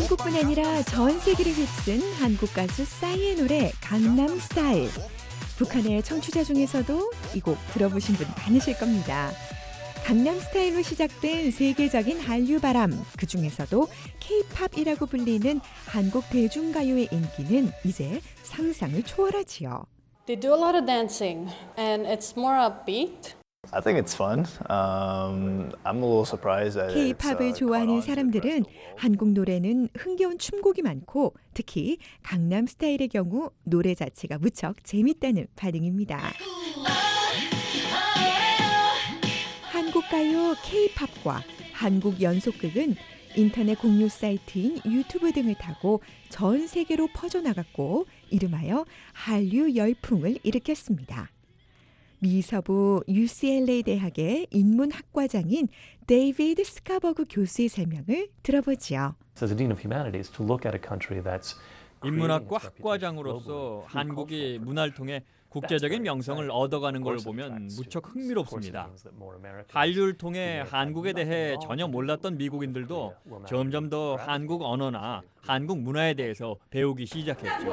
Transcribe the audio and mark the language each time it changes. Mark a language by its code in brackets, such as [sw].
[ko] 한국뿐 아니라 전 세계를 휩쓴 한국 가수 싸이의 노래 강남스타일. 북한의 청취자 중에서도 이 곡 들어보신 분 많으실 겁니다. 강남스타일로 시작된 세계적인 한류 바람, 그 중에서도 K-POP이라고 불리는 한국 대중가요의 인기는 이제 상상을 초월하지요. [en] They do a lot of dancing and it's more upbeat. I think it's fun. I'm a little surprised that [ko] K-POP을 좋아하는 사람들은 한국 노래는 흥겨운 춤곡이 많고 특히 강남 스타일의 경우 노래 자체가 무척 재밌다는 반응입니다. 한국 가요 K-POP과 한국 연속극은 인터넷 공유 사이트인 유튜브 등을 타고 전 세계로 퍼져나갔고 이름하여 한류 열풍을 일으켰습니다. 미서부 UCLA 대학의 인문학과장인 데이비드 스카버그 교수의 설명을 들어보지요. [en] So the dean of humanities to look at a country that's [ko] 인문학과 학과장으로서 한국이 문화를 통해 국제적인 명성을 얻어가는 걸 보면 무척 흥미롭습니다. 한류를 통해 한국에 대해 전혀 몰랐던 미국인들도 점점 더 한국 언어나 한국 문화에 대해서 배우기 시작했죠.